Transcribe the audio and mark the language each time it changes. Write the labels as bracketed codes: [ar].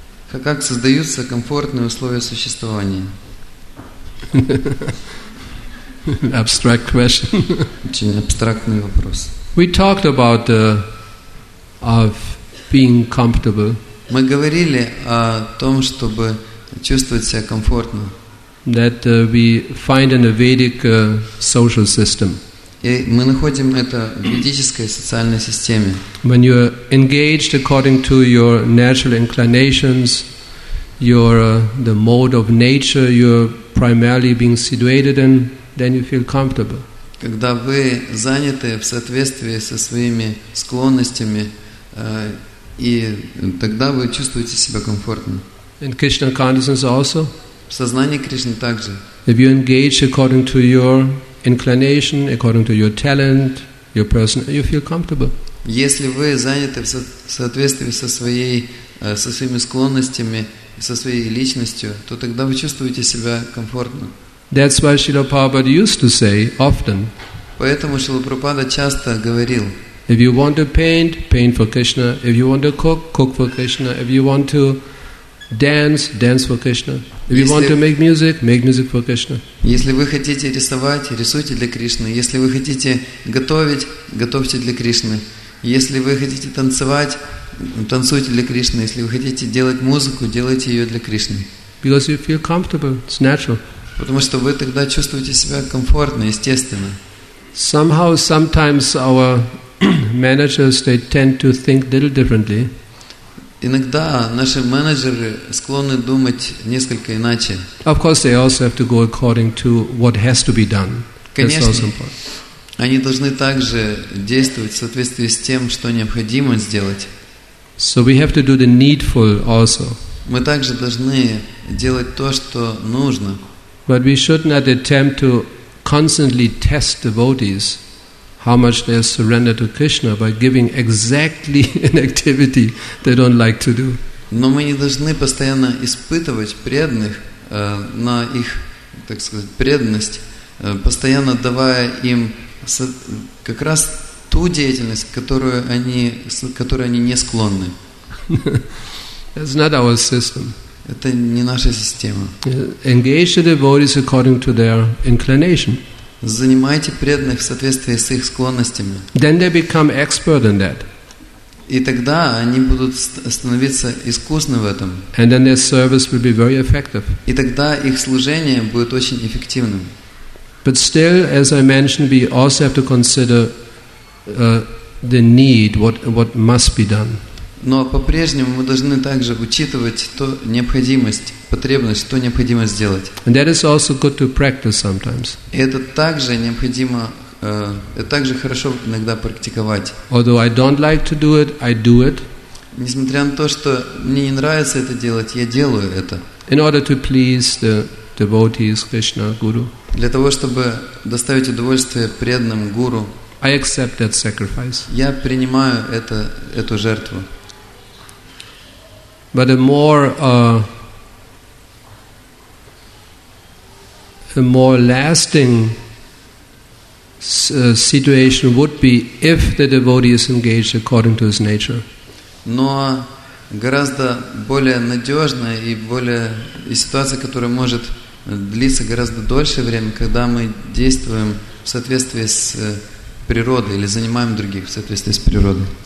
[ru] Как создаются комфортные условия существования? [en] Abstract question. [ru] Очень абстрактный вопрос. [en] We talked about of being comfortable. [ru] Мы говорили о том, чтобы чувствовать себя комфортно. [en] That we find in a Vedic social system. [ru] И мы находим это в ведической социальной системе. [en] When you are engaged according to your natural inclinations, the mode of nature you're primarily being situated in, then you feel comfortable. [ru] Когда вы заняты в соответствии со своими склонностями, и тогда вы чувствуете себя комфортно. [en] In Krishna consciousness also. [ru] В сознании Кришны также. [en] If you engage according to your inclination, according to your talent, your person, you feel comfortable. [ru] Если вы заняты в соответствии со своей, со своими склонностями, со своей личностью, то тогда вы чувствуете себя комфортно. [en] That's why Srila Prabhupada used to say often. [ru] Поэтому Шрила Прабхупада часто говорил. [en] If you want to paint, paint for Krishna. If you want to cook, cook for Krishna. If you want to dance, dance for Krishna. If you want to make music, make music for Krishna. [ru] Если вы хотите рисовать, рисуйте для Кришны. Если вы хотите готовить, готовьте для Кришны. Если вы хотите танцевать, танцуйте для Кришны. Если вы хотите делать музыку, делайте ее для Кришны. [en] Because you feel comfortable, it's natural. [ru] Потому что вы тогда чувствуете себя комфортно, естественно. [en] Somehow, sometimes our managers they tend to think a little differently. [ru] Иногда наши менеджеры склонны думать несколько иначе. [en] Of course, they also have to go according to what has to be done. [ru] Конечно. [en] That's also important. [ru] Они должны также действовать в соответствии с тем, что необходимо сделать. [en] So we have to do the needful also. [ru] Мы также должны делать то, что нужно. [en] But we should not attempt to constantly test devotees how much they surrender to Krishna by giving exactly an activity they don't like to do. [ru] Но мы не должны постоянно испытывать преданных на их, так сказать, преданность, постоянно давая им как раз ту деятельность, которой они не склонны. [en] It's not our system. [ru] Это не наша система. [en] Engage the devotees according to their inclination. [ru] Занимайте преданных в соответствии с их склонностями. [en] Then they become expert in that. [ru] И тогда они будут становиться искусны в этом. [en] And then their service will be very effective. [ru] И тогда их служение будет очень эффективным. [en] But still, as I mentioned, we also have to consider the need, what must be done. [ru] Но по-прежнему мы должны также учитывать ту необходимость, потребность, то необходимо сделать. [en] And that is also good to practice sometimes. [ru] И это также необходимо, это также хорошо иногда практиковать. [en] Although I don't like to do it, I do it. [ru] Несмотря на то, что мне не нравится это делать, я делаю это. [en] In order to please the devotees, Krishna, Guru. [ru] Для того, чтобы доставить удовольствие преданным Гуру. [en] I accept that sacrifice. [ru] Я принимаю это, эту жертву. [en] But a more lasting situation would be if the devotee is engaged according to his nature. [ru] Но гораздо более надежная и более и ситуация, которая может длиться гораздо дольше время, когда мы действуем в соответствии с природой или занимаем других в соответствии с природой.